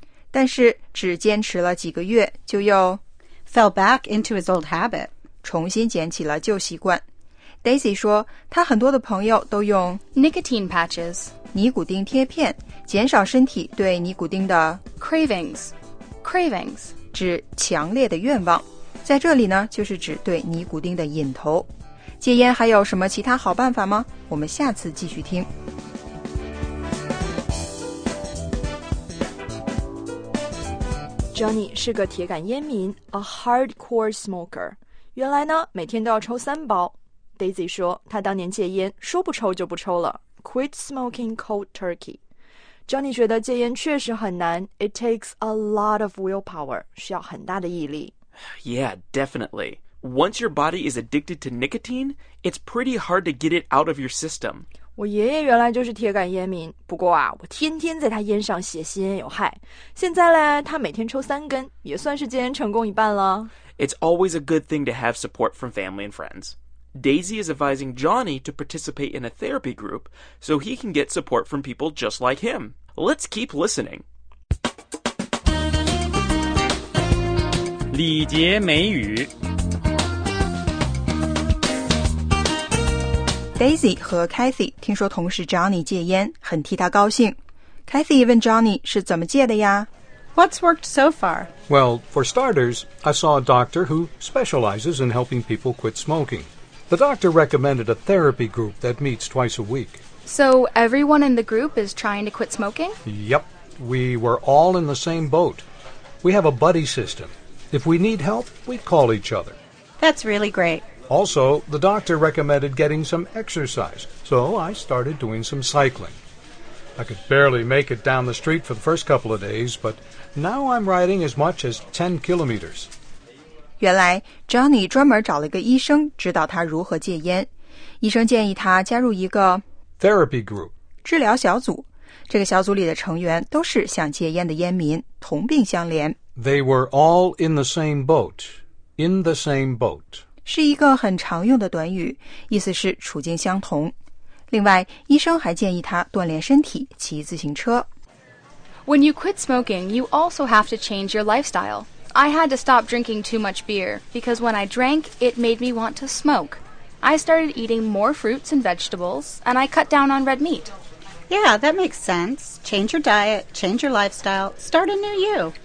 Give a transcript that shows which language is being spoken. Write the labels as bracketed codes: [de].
[zh] 但是只坚持了几个月就又 [en] fell back into his old habit. [zh] 重新捡起了旧习惯。 Daisy 说她很多的朋友都用 [en] nicotine patches, [zh] 尼古丁贴片减少身体对尼古丁的 [en] cravings, [zh] 指强烈的愿望。在这里呢就是指对尼古丁的瘾头。戒烟还有什么其他好办法吗？我们下次继续听。 Johnny 是个铁杆烟民 , [en] a hardcore smoker. [zh] 原来呢每天都要抽三包。Daisy 说他当年戒烟说不抽就不抽了 , [en] quit smoking cold turkey. [zh] Johnny 觉得戒烟确实很难 , [en] it takes a lot of willpower, [zh] 需要很大的毅力。 [en] Yeah, definitely. Once your body is addicted to nicotine, it's pretty hard to get it out of your system. [zh] 我爷爷原来就是铁杆烟民，不过啊，我天天在他烟上写吸烟有害。现在呢，他每天抽三根，也算是戒烟成功一半了。 [en] It's always a good thing to have support from family and friends. Daisy is advising Johnny to participate in a therapy group so he can get support from people just like him. Let's keep listening. [zh] 礼节美语 Daisy 和 Kathy 听说同事 Johnny 戒烟很替他高兴 Kathy 问 Johnny 是怎么戒的呀 [en] What's worked so far? Well, for starters, I saw a doctor who specializes in helping people quit smoking. The doctor recommended a therapy group that meets twice a week. So everyone in the group is trying to quit smoking? Yep, we were all in the same boat. We have a buddy systemIf we need help, we call each other. That's really great. Also, the doctor recommended getting some exercise, so I started doing some cycling. I could barely make it down the street for the first couple of days, but now I'm riding as much as 10 kilometers. [zh] 原来 Johnny 专门找了一个医生指导他如何戒烟。医生建议他加入一个 [en] therapy group, [zh] 治疗小组。这个小组里的成员都是想戒烟的烟民，同病相怜。 [en] They were all in the same boat. In the same boat. [zh] 是一个很常用的短语，意思是处境相同。另外，医生还建议他锻炼身体，骑自行车。 [en] When you quit smoking, you also have to change your lifestyle. I had to stop drinking too much beer, because when I drank, it made me want to smoke. I started eating more fruits and vegetables, and I cut down on red meat. Yeah, that makes sense. Change your diet, change your lifestyle, start a new you.